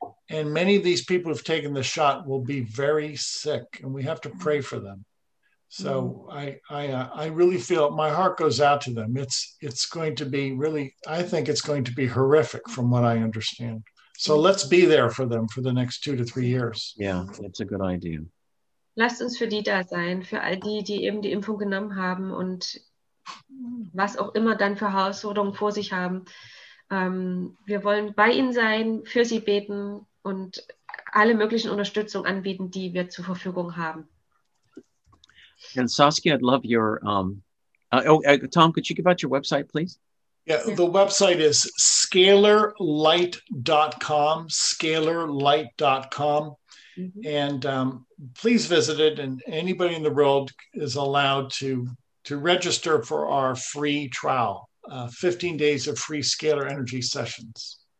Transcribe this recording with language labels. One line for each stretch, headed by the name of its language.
English: And many of these people who've taken the shot will be very sick, and we have to pray for them. So I really feel, my heart goes out to them. It's going to be really, I think it's going to be horrific from what I understand. So let's be there for them for the next 2 to 3 years. Yeah, that's a good idea.
German: Lasst uns für die da sein, für all die, die eben die Impfung genommen haben und was auch immer dann für Herausforderungen vor sich haben. Wir wollen bei ihnen sein, für sie beten und alle möglichen Unterstützung anbieten, die wir zur Verfügung haben.
English: And Saskia, I'd love your, Tom, could you give out your website, please? Yeah, the website is scalarlight.com, scalarlight.com. Mm-hmm. And please visit it, and anybody in the world is allowed to register for our free trial, 15 days of free scalar energy sessions.